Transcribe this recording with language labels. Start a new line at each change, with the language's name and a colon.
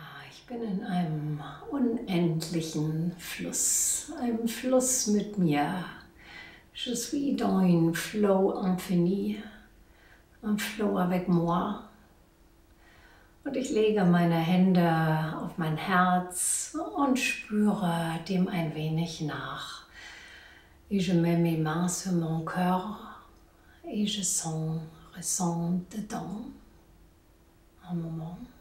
German: Ich bin in einem unendlichen Fluss, einem Fluss mit mir.
French: Je suis dans un flow infini, un flow avec moi.
German: Und ich lege meine Hände auf mein Herz und spüre dem ein wenig nach.
French: Et je mets mes mains sur mon cœur et je sens, ressens dedans un moment.